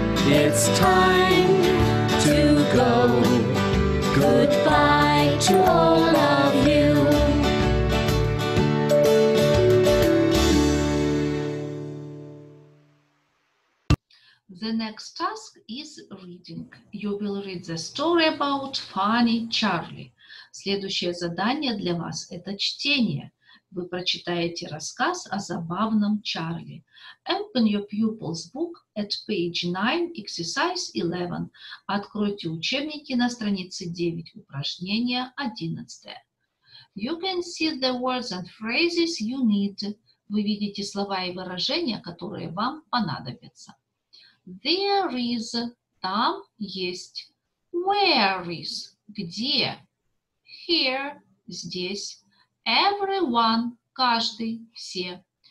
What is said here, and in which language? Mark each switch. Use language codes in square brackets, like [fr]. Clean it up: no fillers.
[en] It's time to go. Goodbye to all of you. The next task is reading. You will read the story about Funny Charlie. [ru] Следующее задание для вас – это чтение. Вы прочитаете рассказ о забавном Чарли. [en] Open your pupil's book at page 9, exercise 11. [ru] Откройте учебники на странице 9, упражнение 11. [en] You can see the words and phrases you need. [ru] Вы видите слова и выражения, которые вам понадобятся. [en] There is, [ru] там есть. [en] Where is, где. [ru] Here, здесь. Everyone, каждый, все.